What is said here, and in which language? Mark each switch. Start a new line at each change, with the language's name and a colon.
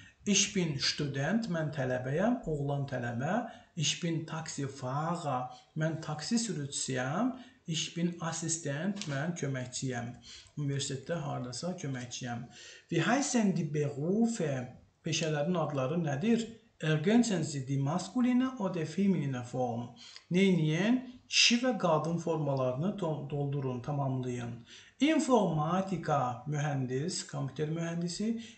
German: Ich bin Student,
Azerbaijani: mən tələbəyəm, oğlan tələbə.
German: Ich bin Taxifahrer,
Azerbaijani: mən taksi sürücüsüyəm.
German: Ich bin Assistent,
Azerbaijani: mən köməkçiyəm. Universitetdə hardasa köməkçiyəm.
German: Wie heißen die Berufe?
Azerbaijani: Peşələrin adları nədir?
German: Ergänzen Sie die maskuline oder feminine Form.
Azerbaijani: Neyin? Kişi və qadın formalarını doldurun, tamamlayın. Informatika, mühəndis, kompüter mühəndisi.